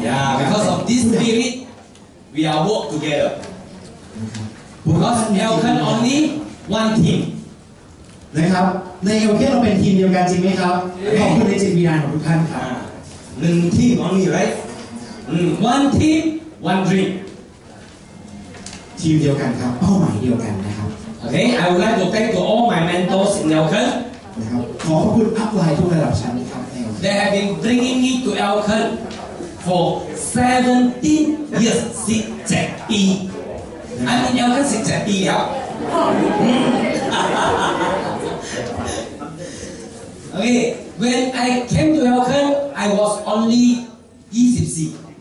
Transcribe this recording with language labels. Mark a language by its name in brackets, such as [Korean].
[English] Yeah, because of this spirit, we are work together. Because Elkhorn only one team. [Thai] นะครับในเอลเคนเราเป็นทีมเดียวกันจริงไหมครับขอบคุณในจิตวิญญาณของทุกท่านครับ หนึ่งทีม [English] only right. One team, one dream. [Thai] ทีมเดียวกันครับเป้าหมายเดียวกันนะครับ [English] Okay, I would like to thank to all my mentors in Elkhorn. [Thai] นะครับขอบคุณอัพไลน์ทุกระดับชั้น [English] They have been bringing me to Elkhorn for 17 years. Sitchepi. I'm in Elkhorn Sitchepi. Okay, when I came to Elkhorn, I was only 24.